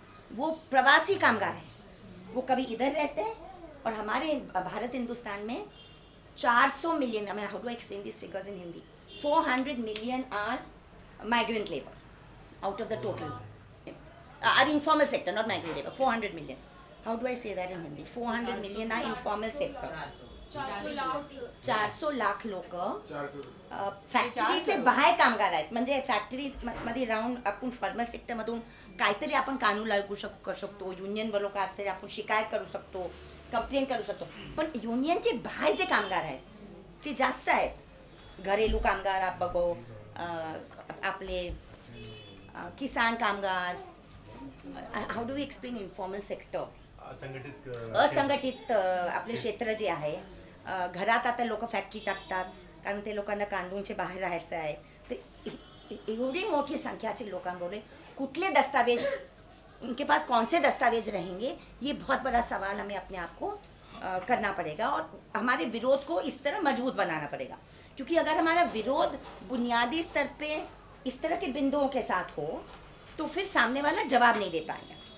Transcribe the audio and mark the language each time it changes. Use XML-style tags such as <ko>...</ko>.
<hi>वो प्रवासी कामगार हैं, वो कभी इधर रहते हैं। और हमारे भारत हिंदुस्तान में</hi> <en>400 million, I how to explain this figures in Hindi, 400 million are migrant labour out of the total, are informal sector, not migrant labour, 400 million. How do I say that in Hindi? 400 million are informal sector,</en> <mr>400 lakh लोक factory चे बाहेर कामगार आहेत। म्हणजे factory मध्ये राहून आपण formal sector मधून काहीतरी आपण कानून लागू करू शकतो, युनियन वर काहीतरी आपण शिकायत करू शकतो, कंप्लेंट करू शकतो, पण युनियनचे बाहेर जे कामगार आहेत ते जास्त आहेत। घरेलू कामगार आप बघो, आपले किसान कामगार,</mr> <en>how do we explain informal sector,</en> <mr>असंघटित आपले क्षेत्र जे आहे। घरात आता लोक फॅक्टरी टाकतात कारण ते लोकांना कांदूनचे बाहेर राहायचं आहे। तर एवढी मोठी संख्याचे लोकांबरोबर कुठले दस्तावेज,</mr> <hi>उनके पास कौन से दस्तावेज रहेंगे, ये बहुत बड़ा सवाल हमें अपने आप को करना पड़ेगा। और हमारे विरोध को इस तरह मजबूत बनाना पड़ेगा, क्योंकि अगर हमारा विरोध बुनियादी स्तर पे इस तरह के बिंदुओं के साथ हो तो फिर सामने वाला जवाब नहीं दे पाएगा।</hi>